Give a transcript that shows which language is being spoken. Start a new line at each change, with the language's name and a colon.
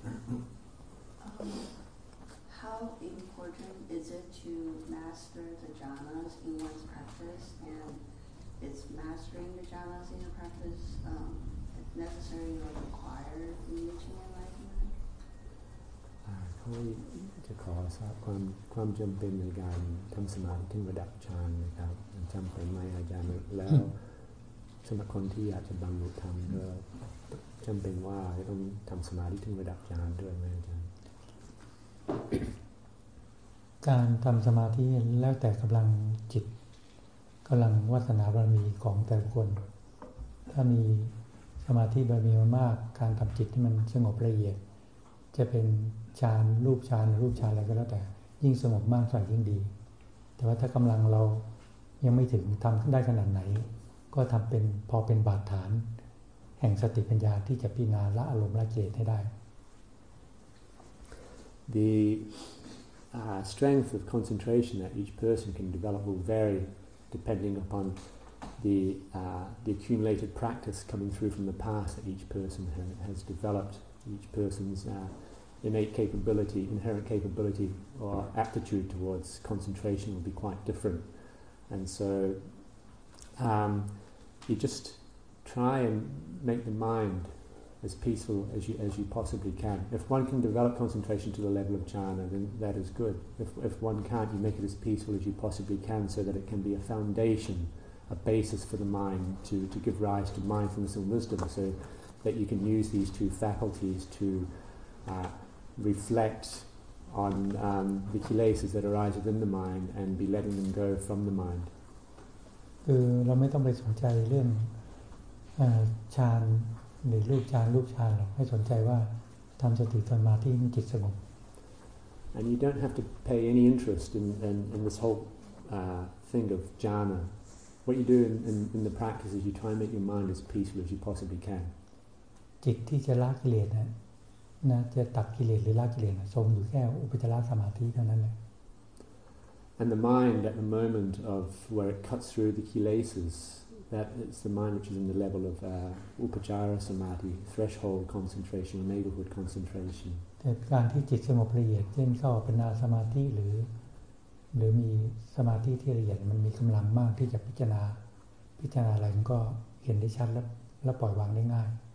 English: How important is it to master the jhanas in one's practice? And is mastering the jhanas in your practice necessary or required in reaching enlightenment?
Thai: เขาจะขอทราบความจำเป็นในการทำสมาธิถึงระดับฌานนะครับจำเป็นไหมอาจารย์แล้วสำหรับคนที่อยากจะบรรลุธรรมก็จำเป็นว่าต้องทำสมาธิถึงระดับฌานด้วยไหมอาจารย์การทำสมาธิแล้วแต่กำลังจิตกำลังวาสนาบารมีของแต่คนถ้ามีสมาธิบารมีมากการทำจิตที่มันสงบละเอียดจะเป็นฌานรูปฌานรูปฌานอะไรก็แล้วแต่ยิ่งสงบมากเท่าไหร่ยิ่งดีแต่ว่าถ้ากำลังเรายังไม่ถึงทำได้ขนาดไหนก็ทำเป็นพอเป็นบาดฐานแห่งสติปัญญาที่จะพิจารณาละอารมณ์ละกิเลสให้ได้
English: The strength of concentration that each person can develop will vary depending upon the accumulated practice coming through from the past that each person has developed each person'sinherent capability or aptitude towards concentration will be quite different. And so you just try and make the mind as peaceful as you possibly can. If one can develop concentration to the level of jhana, then that is good. If one can't, you make it as peaceful as you possibly can so that it can be a foundation, a basis for the mind to give rise to mindfulness and wisdom so that you can use these two faculties to reflect on the kilesas that arise within the mind and be letting them go from the mind.
Thai: เราไม่ต้องไปสนใจเรื่องฌานหรือรูปฌานหรอกให้สนใจว่าทำสติสมาธิให้จิตสงบ
English: And you don't have to pay any interest in this whole thing of jhana. What you do in the practice is you try and make your mind as peaceful as you possibly can.
Thai: จิตที่จะละกิเลสนะน่าจะตัดกิเลสหรือละกิเลสทรงอยู่แค่อุปจารสมาธิเท่านั้นแหละ
English: And the mind at the moment of where it cuts through the kilesas that is the mind which is in the level of upajara samadhi threshold concentration or neighborhood concentration
Thai: แต่การที่จิตสงบละเอียดเช่นเข้าอัปปนาสมาธิหรือมีสมาธิที่ละเอียดมันมีกำลังมากที่จะพิจารณาอะไรมันก็เห็นได้ชัดและปล่อยวางได้ง่าย